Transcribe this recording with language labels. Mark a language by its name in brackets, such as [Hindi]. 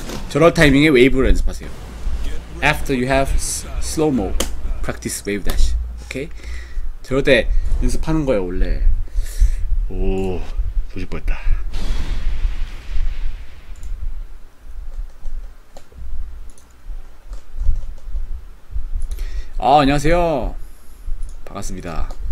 [Korean] 저럴 타이밍에 웨이브를 연습하세요. [English] After you have slow-mo, practice wave dash. Okay? [Korean] 저럴 때 연습하는 거예요, 원래. 오, 소질 뻔했다. 아, 안녕하세요. 반갑습니다.